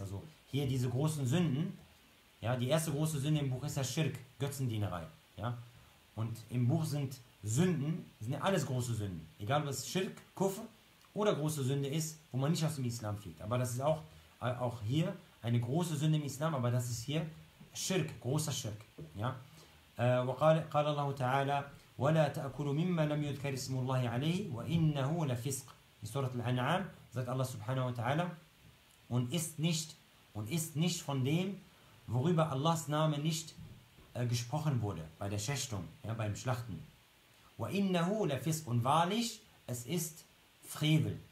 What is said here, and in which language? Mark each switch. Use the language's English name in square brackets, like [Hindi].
[German] Also hier diese großen Sünden, ja, die erste große Sünde im Buch ist der Schirk, Götzendienerei. Ja. Und im Buch sind Sünden, sind ja alles große Sünden. Egal, ob es Schirk, Kufr oder große Sünde ist, wo man nicht aus dem Islam fliegt. Aber das ist auch hier eine große Sünde im Islam, aber das ist hier Schirk, großer Schirk. Ja. [Arabic] وقال الله تعالى ولا تأكلوا مما لم يذكر اسم الله عليه وإنه لفسق. [German] In Surah Al-An'am sagt Allah [Arabic] subhanahu wa ta'ala, [German] und isst nicht von dem, worüber Allahs Name nicht gesprochen wurde, bei der Schächtung, ja, beim Schlachten. [Arabic] وَإِنَّهُ لَفِسْقٌ, [German] und wahrlich, es ist Frevel.